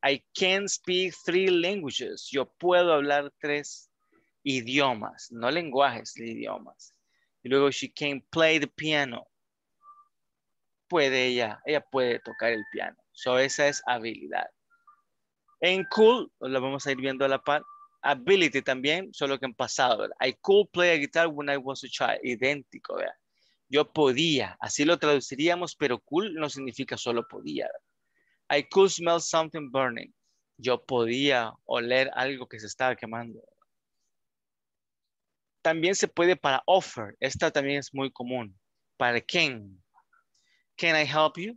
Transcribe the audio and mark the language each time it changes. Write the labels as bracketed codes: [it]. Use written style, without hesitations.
[en] I can speak three languages, [es] yo puedo hablar tres idiomas, no lenguajes, idiomas. Y luego, [en] she can play the piano. [es] Puede ella, ella puede tocar el piano. So, esa es habilidad. En cool, lo vamos a ir viendo a la par. Ability también, solo que en pasado. [en] I could play a guitar when I was a child. [es] Idéntico, ¿verdad? Yo podía, así lo traduciríamos, pero cool no significa solo podía. ¿Verdad? [en] I could smell something burning. [es] Yo podía oler algo que se estaba quemando. También se puede para offer. Esta también es muy común. Para can. [en] Can I help you?